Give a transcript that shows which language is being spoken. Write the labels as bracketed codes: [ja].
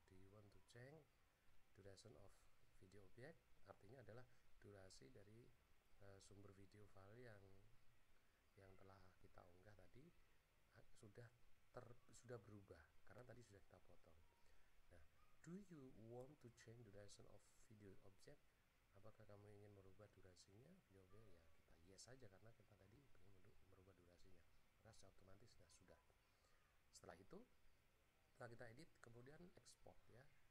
[en] Do you want to change duration of video object? [id] Artinya adalah durasi dari sumber video file yang telah kita unggah tadi sudah berubah karena tadi sudah kita potong. [en] Nah, do you want to change duration of video object? [id] Apakah kamu ingin merubah durasinya video object? Ya, kita yes saja karena kita tadi ingin merubah durasinya. Maka otomatis sudah. Setelah itu, setelah kita edit, kemudian export ya.